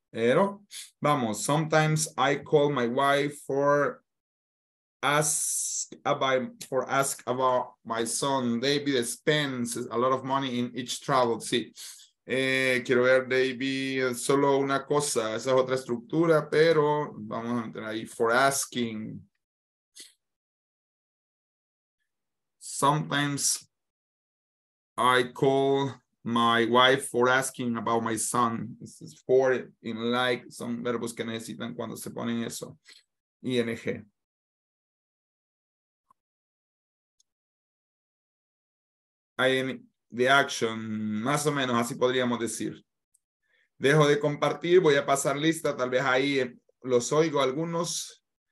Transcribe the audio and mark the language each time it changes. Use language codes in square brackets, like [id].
[es] Pero vamos, [en] sometimes I call my wife for ask about my son. David spends a lot of money in each travel. Sí. [es] Quiero ver, David, solo una cosa. Esa es otra estructura, pero vamos a entrar ahí. [en] For asking. Sometimes I call my wife for asking about my son. This is for in like. [es] Son verbos que necesitan cuando se ponen eso. ING. [en] The action, [es] más o menos, así podríamos decir. Dejo de compartir, voy a pasar lista, tal vez ahí los oigo algunos.